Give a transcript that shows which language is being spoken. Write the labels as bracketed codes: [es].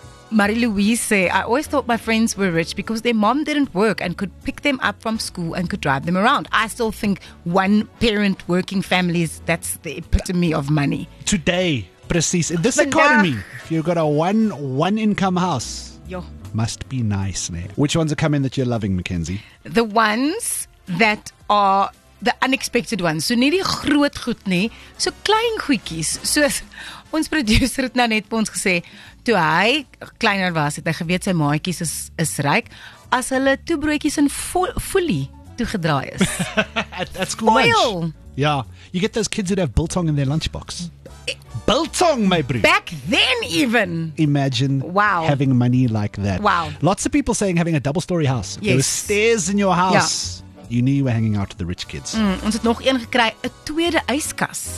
[en] Marie Louise say, I always thought my friends were rich because their mom didn't work and could pick them up from school and could drive them around. I still think one parent working families, that's the epitome of money. Today, precies. In this economy, if you've got a one income house, yo, must be nice, man. Which ones are coming that you're loving, Mackenzie? The ones that are the unexpected ones. [af] So, nie die groot goed nie. So, klein goedjies. Soos ons producer het nou net vir ons gesê, toe hy kleiner was, het hy geweet sy maatjies is ryk, as hulle toe broodjies in folie toegedraai is. [en] That's cool. Foil. Yeah. You get those kids that have biltong in their lunchbox. Biltong, my bro. Back then, even. Imagine wow. having money like that. Wow. Lots of people saying having a double story house. Yes. There were stairs in your house. Yeah. You knew you were hanging out with the rich kids. [af] Mm, ons het nog een gekry, 'n tweede yskas.